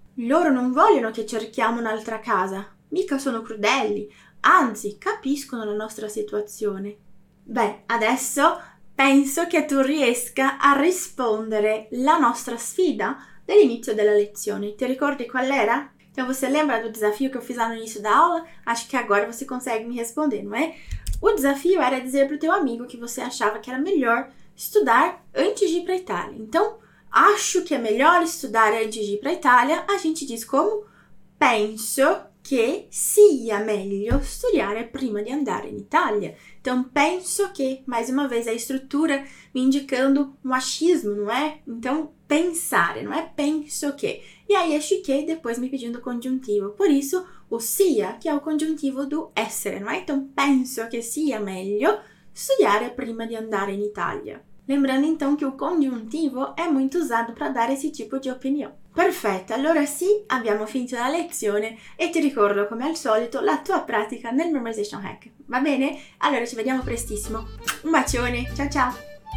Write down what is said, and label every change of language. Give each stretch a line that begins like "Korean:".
Italian: Loro non vogliono che cerchiamo un'altra casa. Mica sono crudeli, anzi, capiscono la nostra situazione. Beh, adesso penso che tu riesca a rispondere la nostra sfida dell'inizio della lezione. Ti ricordi qual era?
Portuguese: Então, você lembra do desafio que eu fiz lá no início da aula? Acho que agora você consegue me responder, não é? O desafio era dizer para o teu amigo que você achava que era melhor estudar antes de ir para a Itália. Então, acho que é melhor estudar antes de ir para a Itália. A gente diz como?
Italian: Penso que sia meglio studiare prima di andare in Italia.
Portuguese: Então, penso que, mais uma vez, a estrutura me indicando um achismo, não é? Então, pensare, não é? Penso que. E aí, este que depois me pedindo congiuntivo. Por isso, o sia, que é o congiuntivo do essere, não é?
Italian: Então, penso que sia meglio studiare prima di andare in Italia.
Portuguese: Lembrando, então, que o congiuntivo é muito usado para dar esse tipo de opinião.
Italian: Perfetto, allora sì, abbiamo finito la lezione e ti ricordo, come al solito, la tua pratica nel Memorization Hack. Va bene? Allora ci vediamo prestissimo. Un bacione, ciao ciao!